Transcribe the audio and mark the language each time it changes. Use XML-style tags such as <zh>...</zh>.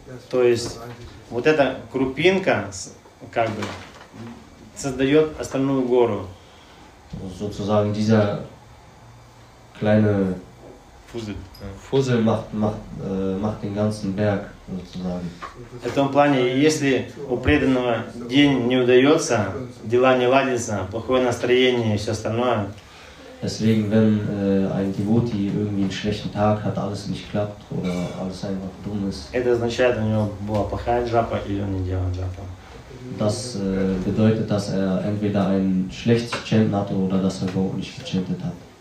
<ru>То есть вот эта крупинка как бы создает остальную гору.</ru> <de>Sozusagen dieser kleine Fussel macht den ganzen Berg sozusagen.</de> <ru>В этом плане, если у преданного день не удается, дела не ладятся, плохое настроение и все остальное.</ru> <de>Deswegen, wenn ein Devotee irgendwie einen schlechten Tag hat, alles nicht klappt oder alles einfach dumm ist.</de> <ru>Это означает, у него была плохая джапа или он не делал джапа.</ru> <de>das bedeutet, dass er entweder ein schlechtes Chanten hatte oder dass er überhaupt nicht gechantet hat.</de>